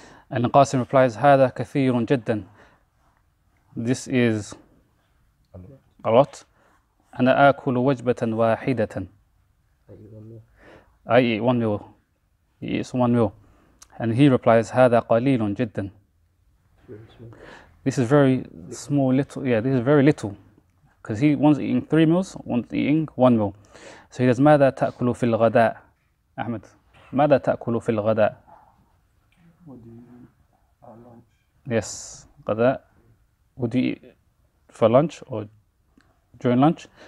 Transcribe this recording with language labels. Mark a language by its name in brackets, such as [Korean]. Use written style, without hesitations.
[English] And Qasim replies, [Arabic] هذا كثير جدا. [English] This is a lot. [Arabic] أنا آكل وجبة واحدة. [English] I eat one meal. He eats one meal. And he replies, [Arabic] هذا قليل جدا. [English] This is very small, little. Yeah, this is very little. Because he one's eating three meals, one's eating one meal. So he says, [Arabic] ماذا تأكل في الغداء؟ Ahmed, ماذا تأكل في الغداء؟ [English] What do you eat for lunch? Yes, غداء. What do you eat for lunch or during lunch?